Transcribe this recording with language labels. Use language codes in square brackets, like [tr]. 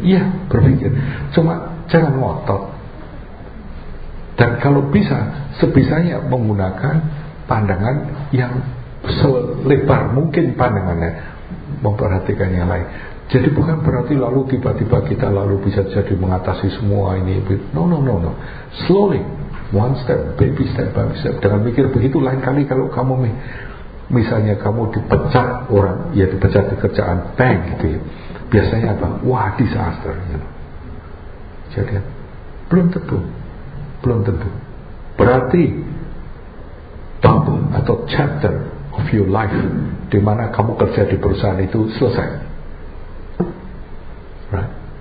[id] Iya, berpikir. Cuma jangan ngotot. Dan kalau bisa, sebisanya menggunakan pandangan yang selebar mungkin pandangannya, memperhatikan yang lain. Jadi bukan berarti lalu tiba-tiba kita lalu bisa jadi mengatasi semua ini. [en] No, no, no, no. Slowly, one step, baby step by step. [id] Dengan mikir begitu, lain kali kalau kamu misalnya kamu dipecat orang, ya dipecat di kerjaan, bang gitu ya, biasanya apa? Wah, [en] disaster, you know. [id] Jadi belum tentu, belum tentu. Berarti double atau [en] chapter of your life [id] di mana kamu kerja di perusahaan itu selesai, [en] right?